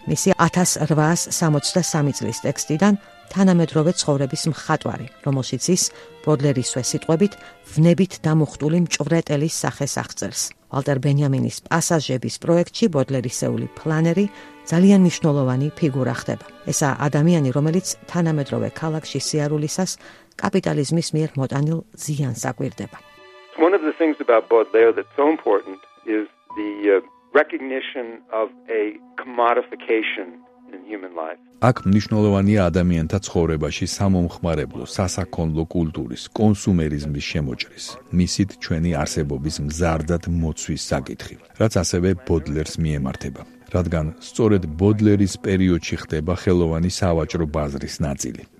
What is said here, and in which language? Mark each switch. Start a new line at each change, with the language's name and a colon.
Georgian: მისი 1863 წლის ტექსტიდან თანამედროვე ცხოვრების მხატვარი, რომელშიც ის ბოდლერისვე სიტყვებით ვნებით დამუხტული მჭვრეტელის სახეს აღწერს. ვალტერ ბენიამინის პასაჟების პროექტში ბოდლერისეული ფლანერი ძალიან მნიშვნელოვანი ფიგურა ხდება. ესაა ადამიანი, რომელიც თანამედროვე ქალაქში სიარულისას კაპიტალიზმის მიერ მოტანილ ზიანს აკვირდება.
English: One of the things about Baudelaire that's so important is the recognition of a commodification in human life.
Georgian: აქ მნიშვნელოვანია ადამიანთა ცხოვრებაში სამომხმარებლო, სასაქონლო კულტურის, კონსუმერიზმის შემოჭრის, მისით ჩვენი არსებობის მზარდად მოცვის საკითხი, რაც ასევე ბოდლერს მიემართება. რადგან სწორედ ბოდლერის პერიოდში ხდება ხელოვანი სავაჭრო ბაზრის ნაწილი.